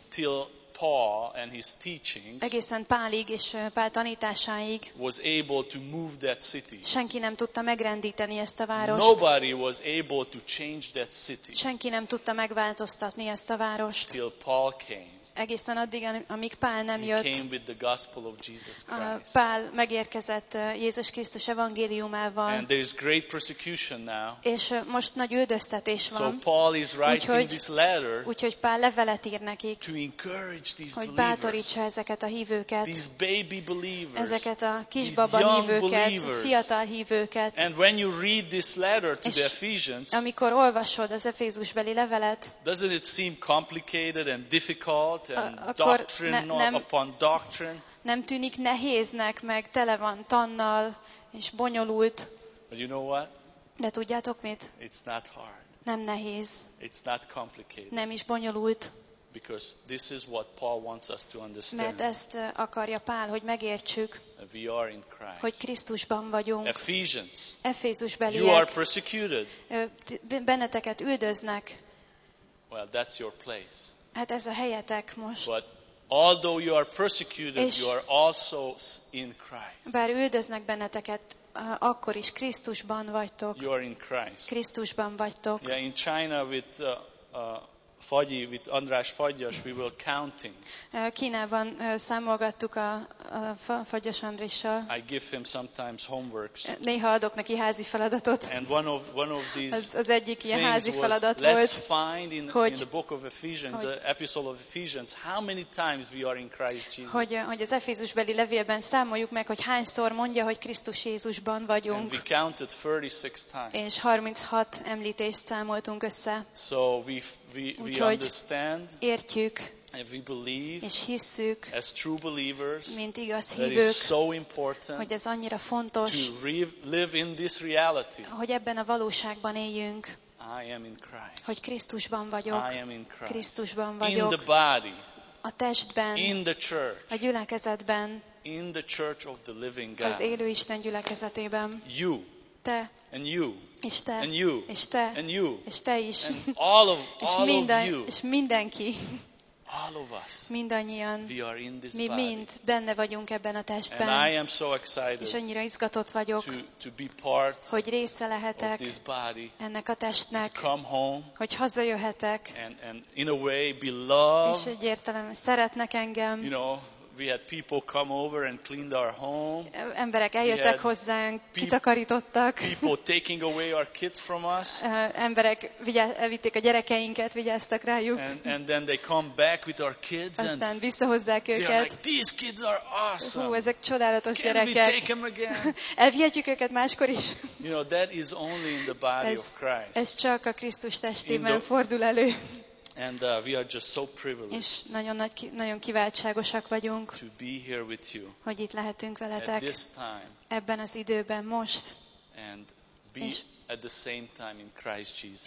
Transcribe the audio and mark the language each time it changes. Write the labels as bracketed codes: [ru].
[en] Till Paul and his teachings. [hu] Egészen Pálig és Pál tanításáig. [en] Was able to move that city. [hu] Senki nem tudta megrendíteni ezt a várost. [en] Nobody was able to change that city. [hu] Senki nem tudta megváltoztatni ezt a várost. [en] Till Paul came. [hu] Egészen addig, amíg Pál nem jött. [en] He came with the gospel of Jesus Christ. [hu] Pál megérkezett Jézus Krisztus evangéliumával. [en] And there is great persecution now. [hu] És most nagy üldöztetés van. [en] So Paul is writing this letter. [hu] Úgyhogy Pál levelet ír nekik. [en] To encourage these believers. [hu] Bátorítsa ezeket a hívőket. [en] These baby believers. [hu] Ezeket a kisbaba hívőket, fiatal hívőket. [en] And when you read this letter to the Ephesians. [hu] Amikor olvasod az Efézusbeli levelet. [en] Doesn't it seem complicated and difficult? And doctrine upon doctrine. [hu] Nem tűnik nehéznek, meg tele van tannal és bonyolult. [en] But you know what? [hu] De tudjátok mit? [en] It's not hard. [hu] Nem nehéz. [en] It's not complicated. [hu] Nem is bonyolult. [en] Because this is what Paul wants us to understand. [hu] Mert ezt akarja Pál, hogy megértsük. [en] We are in Christ. [hu] Hogy Krisztusban vagyunk. [en] Ephesians. [hu] Efézus beliek. [en] You are persecuted. [hu] Benneteket üldöznek. [en] Well, that's your place. [hu] Hát ez a helyetek most. [en] But although you are persecuted, you are also in Christ. [hu] Bár üldöznek benneteket, akkor is Krisztusban vagytok. [en] You are in Christ. [hu] Krisztusban vagytok. [en] Yeah, in China with Fagyi, with András Fagyas, we were counting. [hu] Kínában számolgattuk a Fagyas Andrással. [en] I give him sometimes homeworks. [hu] Néha adok neki házi feladatot. [en] And one of these [hu] az egyik ilyen házi [en] was, [hu] feladat [en] let's [hu] volt. [en] Let's find in the book of Ephesians, the epistle of Ephesians, how many times we are in Christ Jesus. [hu] Hogy az Efézusbeli levélben számoljuk meg, hogy hányszor mondja, hogy Krisztus Jézusban vagyunk. [en] And we counted 36 times. [hu] És 36 említést számoltunk össze. [en] So we understand, [hu] értjük, [en] and we believe, [hu] és hisszük, [en] as true believers, [hu] mint igaz [en] that [hu] hívők, [en] is so important, [hu] hogy ez annyira fontos, [en] to live in this reality, [hu] hogy ebben a valóságban éljünk, [en] I am in Christ, [hu] hogy Krisztusban vagyok, [en] I am in Christ, [hu] Krisztusban vagyok, [en] in the body, [hu] a testben, [en] in the church, [hu] a gyülekezetben, [en] in the church of the living God, [hu] az élő Isten gyülekezetében, [en] you, [hu] te, [en] and you, [hu] és te, [en] and you, [hu] és te, [en] and you, [hu] és te is, [en] and all of you, [hu] és mindenki, [en] all of us, [hu] mindannyian, [en] we are in this [hu] mi [en] body. [hu] Mind benne vagyunk ebben a testben, [en] and I am so excited, [hu] és annyira izgatott vagyok, [en] to be part, [hu] hogy része lehetek [en] of this body, [hu] ennek a testnek, [en] to come home, [hu] hogy hazajöhetek, [en] and in a way be loved, [hu] és egy értelem szeretnek engem, [en] you know. We had people come over and cleaned our home. [hu] Emberek eljöttek hozzánk, kitakarítottak. [en] People taking away our kids from us. [hu] Emberek elvitték a gyerekeinket, vigyáztak rájuk. [en] And then they come back with our kids. [hu] Aztán visszahozzák őket. [en] They're like, these kids are awesome. [hu] Hú, ezek csodálatos [en] Can [hu] gyerekek. [en] We take them again? [hu] Elvihetjük őket máskor is. [en] You know, that is only in the body of Christ. [hu] Ez csak a Krisztus testében fordul elő. [en] And we are just so privileged. [hu] És nagyon nagy, nagyon kiváltságosak vagyunk. [en] To be here with you. [hu] Hogy itt lehetünk veletek. [en] At this time. [hu] Ebben az időben most. [en] And be at the same time in Christ Jesus.